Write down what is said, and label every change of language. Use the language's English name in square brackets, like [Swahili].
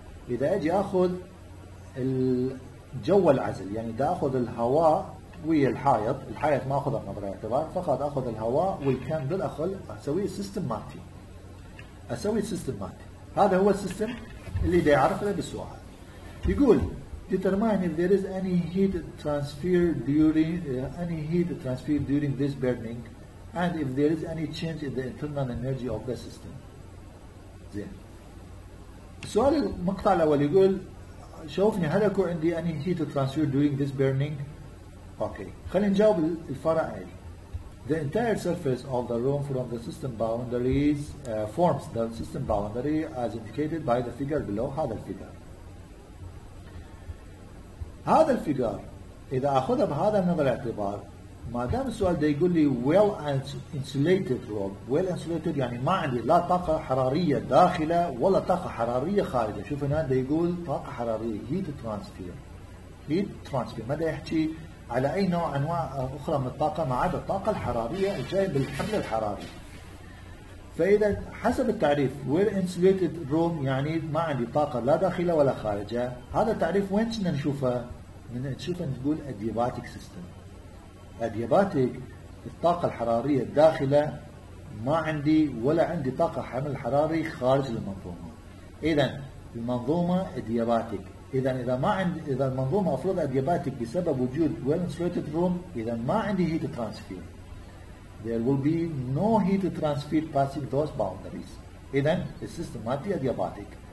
[Arabic] إذا أجي أخذ الجو العزل، يعني إذا أخذ الهواء ويا الحائط، الحائط ما أخذه بنظر الاعتبار، فقط أخذ الهواء والكاندل، أسوي سيستم ماتي، أسوي سيستم ماتي. هذا هو السيستم اللي دا يعرف له بالسؤال. يقول [English] determine if there is any heat transfer during any heat transfer during this burning and if there is any change in the internal energy of the system. [Arabic] زين، السؤال المقطع الأول يقول شوفني هل اكو عندي [English] any heat transfer during this burning. [Arabic] اوكي، خلينا نجاوب الفرع عليه. [English] The entire surface of the room from the system boundaries forms the system boundary as indicated by the figure below. [Arabic] هذا الفيجر، هذا الفيجر إذا أخذها بهذا النظر الاعتبار، ما دام السؤال ده يقول لي [English] well insulated room، well insulated [Arabic] يعني ما عندي لا طاقة حرارية داخلة ولا طاقة حرارية خارجة. شوف هنا ده يقول طاقة حرارية heat transfer، heat transfer ما ده يحكي على أي نوع أنواع أخرى من الطاقة ما عدا الطاقة الحرارية الجاية بالحمل الحراري. فإذا حسب التعريف well insulated room يعني ما عندي طاقة لا داخلة ولا خارجة، هذا التعريف وين كنا نشوفه؟ من تشوفه نقول adiabatic system. adiabatic الطاقة الحرارية الداخلة ما عندي ولا عندي طاقة حمل حراري خارج المنظومة. إذا المنظومة adiabatic. إذا ما عندي، إذا المنظومة أفرض adiabatic بسبب وجود [English] well insulated room، [Arabic] إذا ما عندي heat transfer. [English] There will be no heat transfer passing those boundaries. [Arabic] إذن [English] the system might be adiabatic.